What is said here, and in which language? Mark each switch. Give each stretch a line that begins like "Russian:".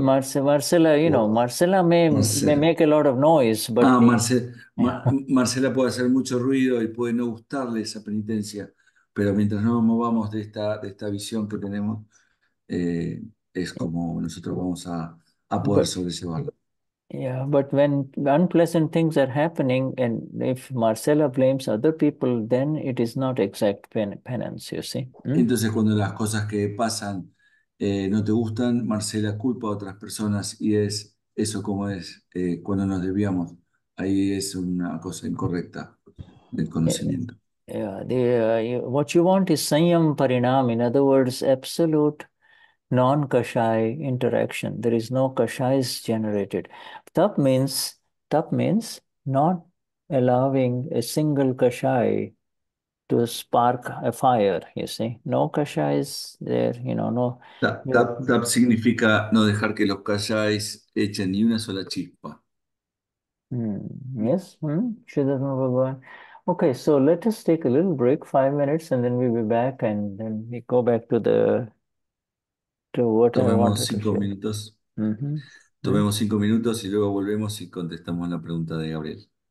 English: Marcella, you know, Marcella may make a lot of noise, but.
Spanish: Marcella puede hacer mucho ruido y puede no gustarle esa penitencia, pero mientras no nos movamos de esta visión que tenemos, es como nosotros vamos a poder sobrellevarlo.
English: Yeah, but when unpleasant things are happening and if Marcella blames other people, then it is not exact penance, you see.
Spanish: Entonces, cuando las cosas que pasan no te gustan, Marcella culpa a otras personas y es eso como es cuando nos desviamos. Ahí es una cosa incorrecta del conocimiento.
English: What you want is Sanyam Parinam, in other words, absolute non-kashai interaction. There is no kashais generated. Tap means not allowing a single kashai to spark a fire, you see. No kashais there, you know, no.
Spanish: Tap significa no dejar que los kashais echen ni una sola chispa.
English: Yes, Shuddhatma Bhagavan. Okay, so let us take a little break, 5 minutes, and then we'll be back, and then we go back to the
Spanish: Tomemos
English: to
Spanish: cinco minutos. Tomemos 5 minutos y luego volvemos y contestamos la pregunta de Gabriel.